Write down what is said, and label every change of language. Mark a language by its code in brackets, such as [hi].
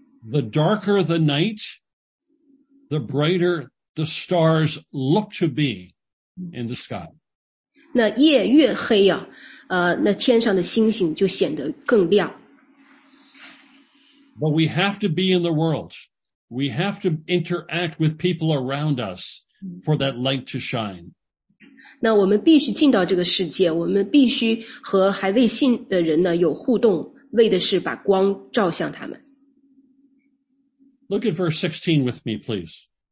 [en] The darker the night, the brighter the stars look to be in the sky. [zh] 那夜越黑啊，那天上的星星就显得更亮。 [en] But we have to be in the world. We have to interact with people around us for that light to shine. [zh] 那我们必须进到这个世界，我们必须和还未信的人呢有互动，为的是把光照向他们。 [en] Look at verse 16 with me, please.